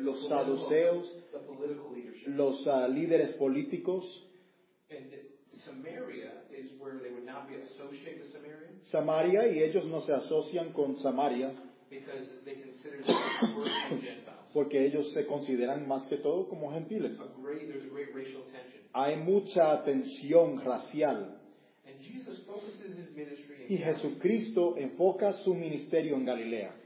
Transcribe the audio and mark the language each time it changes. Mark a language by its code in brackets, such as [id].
[es] los saduceos, los líderes políticos. [en] And Samaria is where they would not be associated with Samaria. [es] Samaria, y ellos no se asocian con Samaria. [en] Because they consider the Gentiles. [es] Porque ellos se consideran más que todo como gentiles. [en] There's great racial tension. [es] Hay mucha tensión racial. [en] And Jesus focuses his ministry in [es] y Jesucristo enfoca su ministerio en Galilea.